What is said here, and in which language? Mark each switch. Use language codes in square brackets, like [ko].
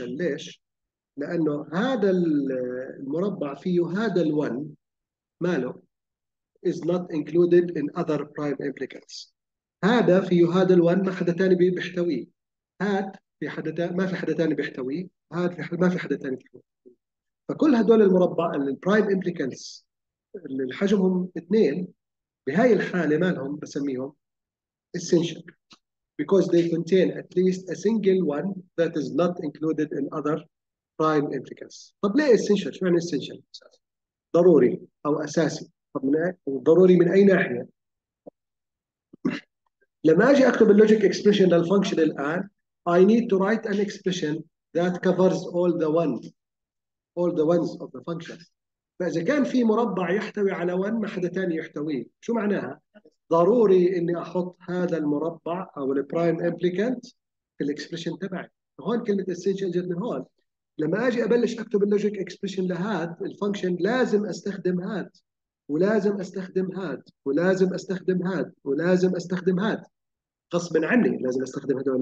[ar] ليش؟ لأنه هذا المربع فيه هذا ال1 ماله [en] is not included in other prime implicants، [ar] هذا فيه هذا ال1 ما حدا تاني بيحتويه، هاد في حدا ما في حدا تاني بيحتويه، هاد في ما في حدا تاني بيحتويه، فكل هدول المربع البرايم امبليكانتس اللي حجمهم اثنين بهاي الحالة مالهم بسميهم [en] essential because they contain at least a single one that is not included in other prime implicants. [ar] طب ليه essential؟ شو يعني essential؟ ضروري أو أساسي. طب من ضروري من أي ناحية؟ لما أجي أكتب اللوجيك expression للفانكشن الآن [en] I need to write an expression that covers all the ones of the function. [ar] فإذا كان في مربع يحتوي على 1 ما حدا ثاني يحتويه، شو معناها؟ ضروري اني احط هذا المربع او البرايم امبليكانت في الاكسبريشن تبعي، هون كلمه اسينشال اجت من هون. لما اجي ابلش اكتب اللوجيك اكسبريشن لهاد الفانكشن لازم استخدم هاد ولازم استخدم هاد ولازم استخدم هاد ولازم استخدم هاد، غصبا عني لازم استخدم هدول.